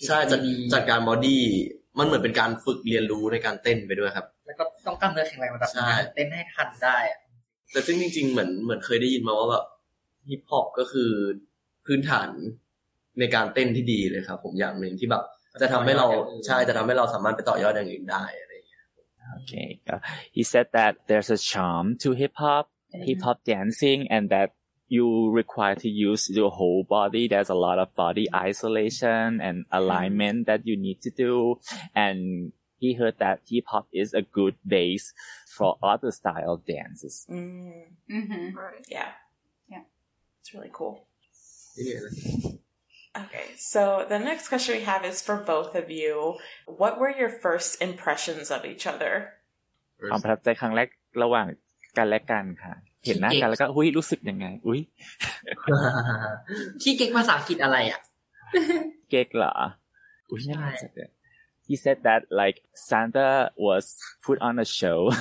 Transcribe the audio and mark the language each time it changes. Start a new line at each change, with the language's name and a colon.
Thai: ใช่จัดการบอดี้มันเหมือนเป็นการฝึกเรียนรู้ในการเต้นไปด้วยครับ แล้วก็ต้องกล้ามเนื้อแข็งแรงมาแบบเต้นให้ทันได้แต่จริงๆเหมือนเคยได้ยินมาว่าแบบฮิปฮอปก็คือพื้นฐานในการเต้นที่ดีเลยครับผมอย่างหนึ่งที่แบบจะทำให้เราใช่จะทำให้เราสามารถไปต่อยอดอย่างอื่นได้อะไร
English: โอเค he said that there's a charm to hip hop dancing and that you require to use your whole body there's a lot of body isolation and alignment that you need to do and he heard that hip hop is a good base for other style of dances mm-hmm. right yeah it's really cool yeah Okay, so the next question we have is for both of you. What were your first impressions of each other?
Thai: ความประทับใจครั้งแรกระหว่างกันและกันค่ะเห็นหน้ากันแล้วก็อุ้ยรู้สึกยังไงอุ้ย ขี้เก๊กภาษาอังกฤษอะไรอ่ะ เก๊กเหรออุ้ยใช่
English: He said that like Santa was put on a show